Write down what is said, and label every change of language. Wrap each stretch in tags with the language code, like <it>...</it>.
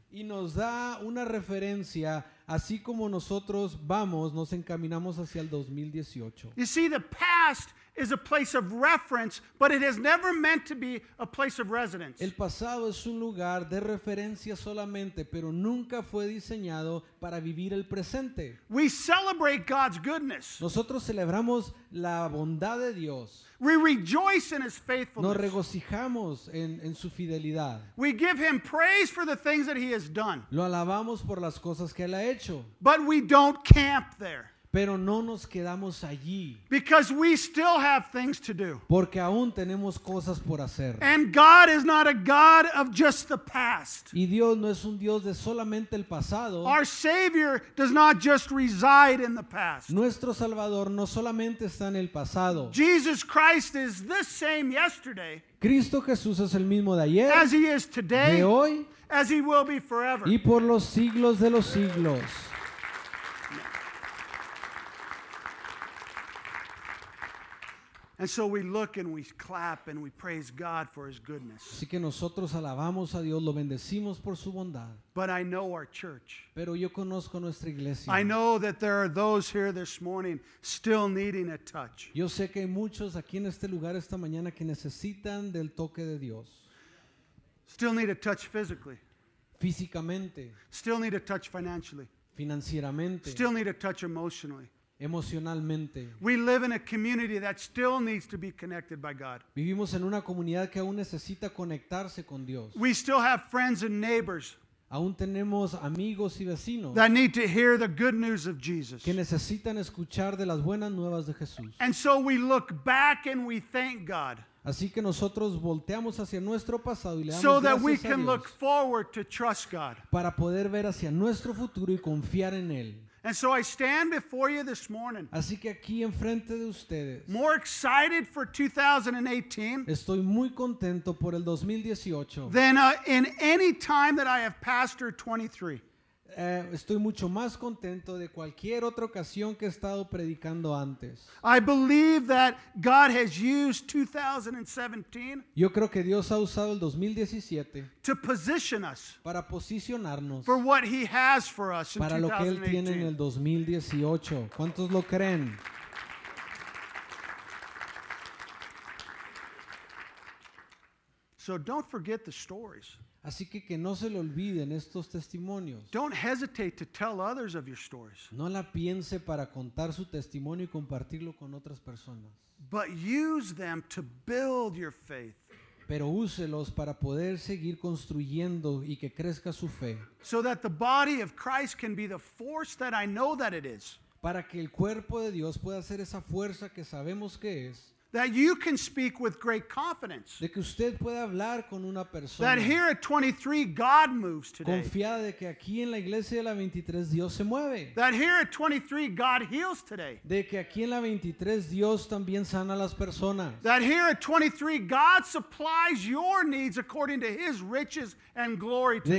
<es>Y nos da una referencia así como nosotros vamos, nos encaminamos hacia el 2018.</es> <en>You see, the past is a place of reference, but it has never meant to be a place of residence.</en> <es>El pasado es un lugar de referencia solamente, pero nunca fue diseñado para vivir el presente.</es> <en>We celebrate God's goodness.</en> <es>Nosotros celebramos la bondad de Dios.</es> <en>We rejoice in his faithfulness.</en> <es>Nos regocijamos en su fidelidad.</es> <en>We give him praise for the things that he has done.</en> <es>Lo alabamos por las cosas que él ha hecho.</es> <en>But we don't camp there.</en> <es>Pero no nos quedamos allí.</es> <en>Because we still have things to do.</en> <es>Porque aún tenemos cosas por hacer.</es> <en>And God is not a God of just the past.</en> <es>Y Dios no es un Dios de solamente el pasado.</es> <en>Our Savior does not just reside in the past.</en> <es>Nuestro Salvador no solamente está en el pasado.</es> <en>Jesus Christ is the same yesterday.</en> <es>Cristo Jesús es el mismo de ayer.</es> <en>As he is today.</en> <es>De hoy.</es> <en>As he will be forever.</en> <es>Y por los siglos de los siglos.</es> <en>And so we look and we clap and we praise God for his goodness.</en> <es>Así que nosotros alabamos a Dios, lo bendecimos por su bondad.</es> <en>But I know our church.</en> <es>Pero yo conozco nuestra iglesia.</es> <en>I know that there are those here this morning still needing a touch.</en> <es>Yo sé que hay muchos aquí en este lugar esta mañana que necesitan del toque de Dios.</es> <en>Still need a touch physically.</en> <es>Físicamente.</es> <en>Still need a touch financially.</en> <es>Financieramente.</es> <en>Still need a touch emotionally.</en> <es>Emocionalmente.</es> <en>We live in a community that still needs to be connected by God.</en> <es>Vivimos en una comunidad que aún necesita conectarse con Dios.</es> <en>We still have friends and neighbors.</en> <es>Aún tenemos amigos y vecinos.</es> <en>That need to hear the good news of Jesus.</en> <es>Que necesitan escuchar de las buenas nuevas de Jesús.</es> <en>And so we look back and we thank God.</en> <es>Así que nosotros volteamos hacia nuestro pasado y le damos gracias a Dios.</es> <en>So that we can look forward to trust God.</en> <es>Para poder ver hacia nuestro futuro y confiar en él.</es> <en>And so I stand before you this morning.</en> <es>Así que aquí enfrente de ustedes.</es> <en>More excited for 2018.</en> <es>Estoy muy contento por el 2018.</es> <en>Than in any time that I have pastored 23.</en> <es>Estoy mucho más contento de cualquier otra ocasión que he estado predicando antes.</es> <en>I believe that God has used 2017.</en> <es>Yo creo que Dios ha usado el 2017.</es> <en>To position us</en> <es>para posicionarnos</es> <en>for what he has for us in</en> <es>para Lo que él tiene en el 2018. ¿Cuántos lo creen?</es> <en>So don't forget the stories.</en> <es>Así que no se le olviden estos testimonios.</es> <en>Don't hesitate to tell others of your stories.</en> <es>No la piense para contar su testimonio y compartirlo con otras personas.</es> <en>But use them to build your faith.</en> <es>Pero úselos para poder seguir construyendo y que crezca su fe.</es> <en>So that the body of Christ can be the force that I know that it is.</en> <es>Para que el cuerpo de Dios pueda ser esa fuerza que sabemos que es.</es> <en>That you can speak with great confidence.</en> <es>De que usted pueda hablar con una persona.</es> <en>That here at 23 God moves today.</en> <es>Confiada de que aquí en la iglesia de la 23 Dios se mueve.</es> <en>That here at 23 God heals today.</en> <es>De que aquí en la 23 Dios también sana a las personas.</es> <en>That here at 23 God supplies your needs according to his riches and glory today.</en>